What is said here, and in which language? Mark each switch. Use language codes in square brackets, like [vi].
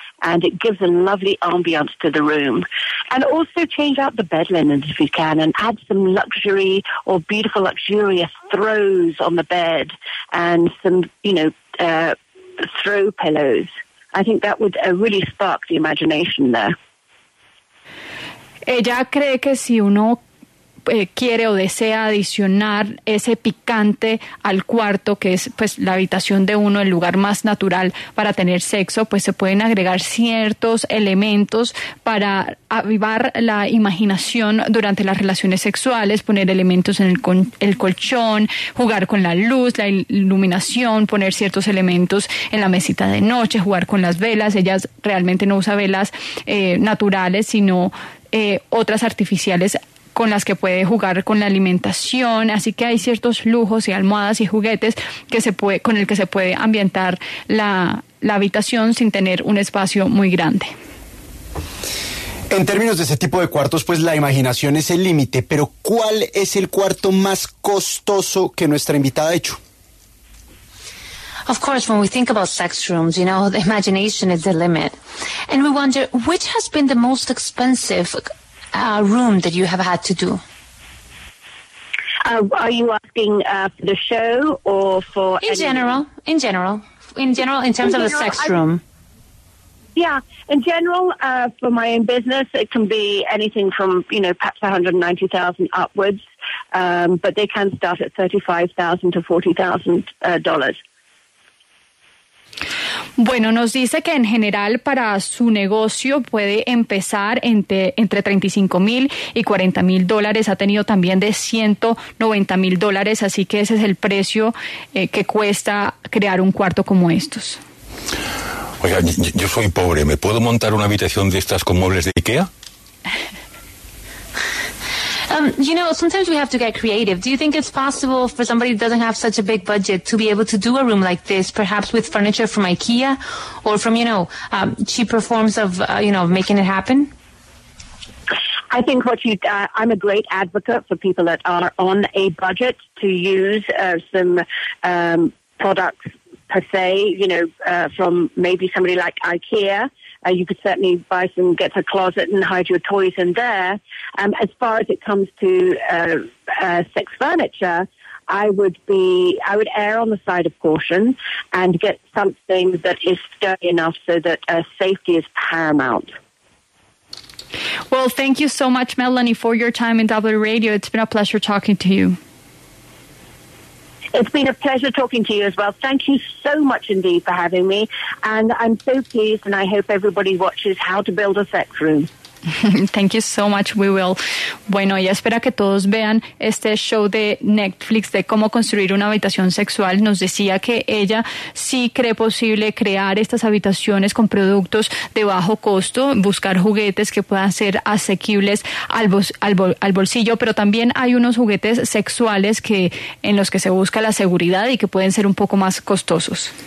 [en] And it gives a lovely ambiance to the room. And also change out the bed linens if you can and add some luxury or beautiful luxurious throws on the bed and some, you know, throw pillows. I think that would really spark the imagination there. [es] Ella cree que si uno quiere o desea adicionar ese picante al cuarto, que es pues la habitación de uno, el lugar más natural para tener sexo, pues se pueden agregar ciertos elementos para avivar la imaginación durante las relaciones sexuales, poner elementos en el colchón, jugar con la luz, la iluminación, poner ciertos elementos en la mesita de noche, jugar con las velas. Ella realmente no usa velas naturales, sino otras artificiales con las que puede jugar con la alimentación, así que hay ciertos lujos y almohadas y juguetes que se puede, con el que se puede ambientar la habitación sin tener un espacio muy grande. En términos de ese tipo de cuartos, pues la imaginación es el límite, pero ¿cuál es el cuarto más costoso que nuestra invitada ha hecho? [en] Of course, when we think about sex rooms, you know, the imagination is the limit. And we wonder, which has been the most expensive room that you have had to do? Are you asking for the show or for... In general, in terms of the sex room. Yeah, in general, for my own business, it can be anything from, you know, perhaps 190,000 upwards, but they can start at $35,000 to $40,000. [es] Bueno, nos dice que en general para su negocio puede empezar entre 35 mil y 40 mil dólares. Ha tenido también de 190 mil dólares, así que ese es el precio que cuesta crear un cuarto como estos. Oiga, yo soy pobre, ¿me puedo montar una habitación de estas con muebles de IKEA? [en] You know, sometimes we have to get creative. Do you think it's possible for somebody who doesn't have such a big budget to be able to do a room like this, perhaps with furniture from IKEA or from, you know, cheaper forms of, you know, making it happen? I think what you, I'm a great advocate for people that are on a budget to use some products per se, you know, from maybe somebody like IKEA. You could certainly buy some, get a closet and hide your toys in there. As far as it comes to sex furniture, I would err on the side of caution and get something that is sturdy enough so that safety is paramount. Well, thank you so much, Melanie, for your time in W Radio. It's been a pleasure talking to you. It's been a pleasure talking to you as well. Thank you so much indeed for having me. And I'm so pleased, and I hope everybody watches How to Build a Sex Room. Thank you so much, we will. [es] Bueno, ella espera que todos vean este show de Netflix de cómo construir una habitación sexual. Nos decía que ella sí cree posible crear estas habitaciones con productos de bajo costo, buscar juguetes que puedan ser asequibles al bolsillo, pero también hay unos juguetes sexuales que en los que se busca la seguridad y que pueden ser un poco más costosos.